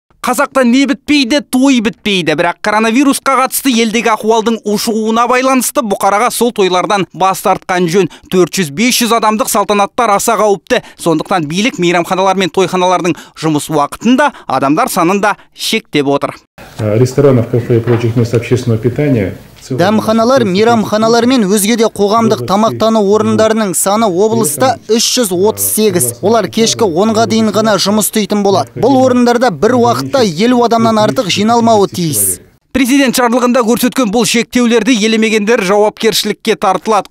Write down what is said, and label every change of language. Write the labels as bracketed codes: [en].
[kk] Қазақта не бітпейді, той бітпейді, бірақ коронавирусқа қатысты елдегі ахуалдың ушығуына байланысты бұқараға сол тойлардан бас тартқан жөн. 400-500 адамдық салтанаттар аса қауіпті, сондықтан билік мейрамханалар мен тойханалардың жұмыс уақытында адамдар санында шектеп отыр. [ru] Ресторанов, кафе и прочих мест общественного питания. [kk] Дәмханалар, мейрамханалар мен өзге де қоғамдық тамақтану орындарының саны облыста 338. Олар кешкі 10-ға дейін ғана жұмыс істейтін болады. Бұл орындарда бір уақытта 50 адамнан артық жиналмауы тиіс. Президент жарлығында көрсеткен бұл шектеулерді елемегендер жауапкершілікке тартылады.